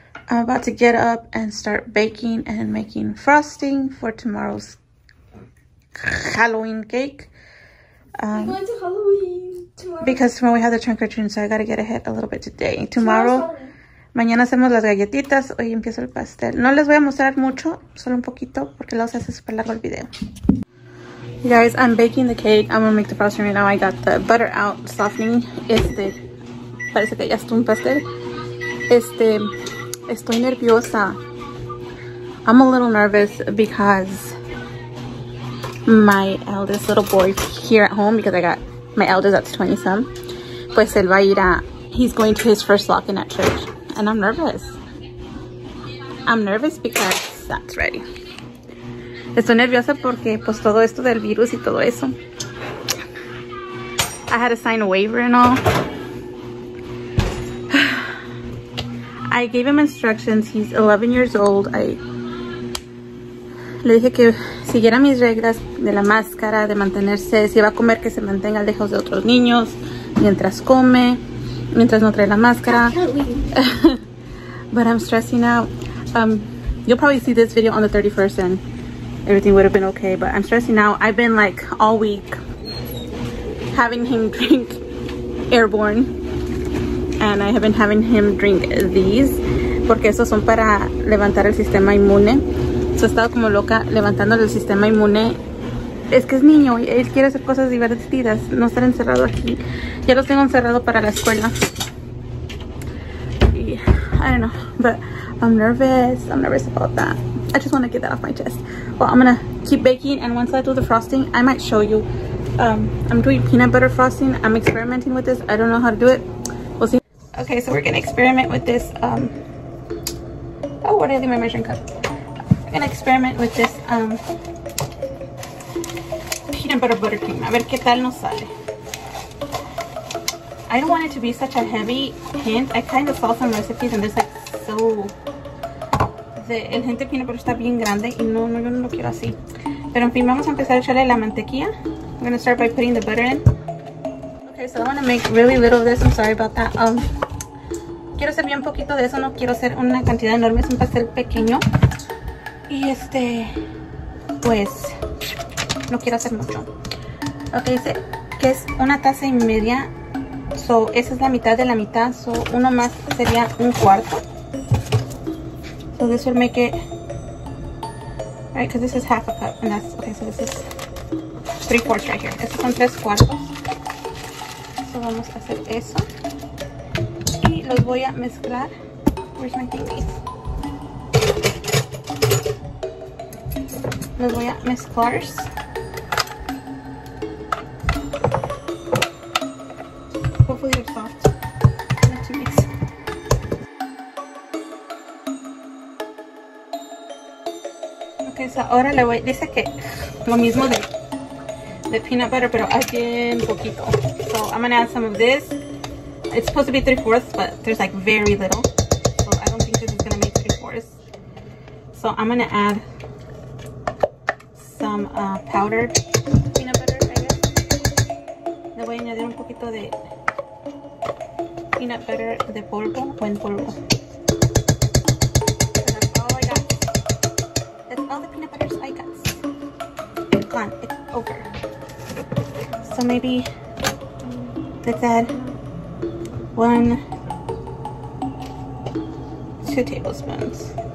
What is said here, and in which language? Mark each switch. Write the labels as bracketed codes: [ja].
[en] I'm about to get up and start baking and making frosting for tomorrow's Halloween cake. I'm going to Halloween tomorrow. Because tomorrow we have the trunk or treat, so I gotta get ahead a little bit today. Tomorrow, [es] mañana hacemos las galletitas. Hoy empiezo el pastel. No les voy a mostrar mucho, solo un poquito, porque luego se hace super largo el video. [en] You guys, I'm baking the cake. I'm gonna make the frosting right now. I got the butter out, softening. [es] Parece que ya está un pastel. Estoy nerviosa. [en] I'm a little nervous because my eldest little boy here at home, because I got my eldest, that's 20 some, [es] pues él va a ir a, [en] he's going to his first lock-in at church, and I'm nervous. I'm nervous because that's ready. [es] Estoy nerviosa porque pues todo esto del virus y todo eso. [en] I had to sign a waiver and all. I gave him instructions. He's 11 years old. [es] Le dije que siguiera mis reglas de la máscara, de mantenerse. Si va a comer, que se mantenga lejos de otros niños mientras come, mientras no trae la máscara. [en] But I'm stressing out. You'll probably see this video on the 31st and everything would have been okay. But I'm stressing out. I've been like all week having him drink Airborne. And I have been having him drink these. [es] Porque esos son para levantar el sistema inmune. So, he estado como loca levantando el sistema inmune. Es que es niño. Él quiere hacer cosas divertidas. No estar encerrado aquí. Ya los tengo encerrado para la escuela. [en] I don't know. But I'm nervous. I'm nervous about that. I just want to get that off my chest. Well, I'm going to keep baking. And once I do the frosting, I might show you. I'm doing peanut butter frosting. I'm experimenting with this. I don't know how to do it. Okay, so we're gonna experiment with this. Oh, where did I leave my measuring cup? We're gonna experiment with this peanut butter buttercream. [es] A ver qué tal nos sale. [en] I don't want it to be such a heavy hint. I kind of saw some recipes and it's like so. [es] El hint de peanut butter está bien grande y no, no, yo no lo quiero así. Pero en fin, vamos a empezar a echarle la mantequilla. [en] I'm gonna start by putting the butter in. Okay, so I wanna make really little of this. I'm sorry about that. [es] Quiero hacer bien poquito de eso, no quiero hacer una cantidad enorme, es un pastel pequeño. Y pues, no quiero hacer mucho. Ok, dice que es una taza y media. So, esa es la mitad, so uno más sería un cuarto. [en] So, this will make it, right, because this is half a cup, and that's, okay, so this is 3/4 right here. [es] Estos son 3/4. So, vamos a hacer eso. Los voy a mezclar. [en] Where's my thingies? [es] Los voy a mezclar. [en] Hopefully they're soft. Not too mix. Okay, so [es] ahora le voy. Dice que lo mismo de peanut butter, pero aquí un poquito. [en] So I'm gonna add some of this. It's supposed to be 3/4, but there's like very little. So I don't think this is gonna make 3/4. So I'm gonna add some powdered peanut butter, I guess. Le voy a añadir un poquito de peanut butter de polvo, buen polvo. And that's all I got. That's all the peanut butter I got. Gone, it's over. So maybe let's add 1-2 tablespoons.